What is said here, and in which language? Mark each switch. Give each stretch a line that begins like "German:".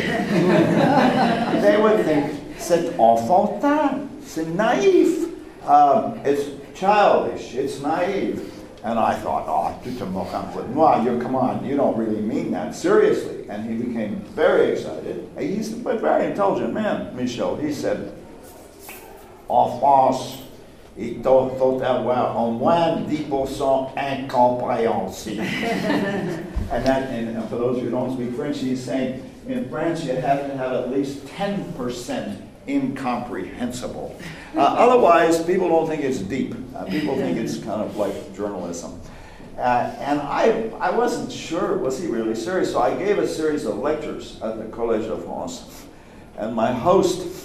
English: They would think,
French: c'est enfantin, c'est naïf.
English: It's childish, it's naïve. And I thought, oh,
French: tu te moques un peu de moi,
English: you don't really mean that, seriously. And he became very excited. He's a very intelligent man, Michel. He said,
French: en France, il faut avoir au moins 10% incompréhensible.
English: And for those who don't speak French, he's saying, in France, you have to have at least 10% incomprehensible. Otherwise, people don't think it's deep. People think it's kind of like journalism. And I wasn't sure, was he really serious? So I gave a series of lectures at the Collège de France. And my host,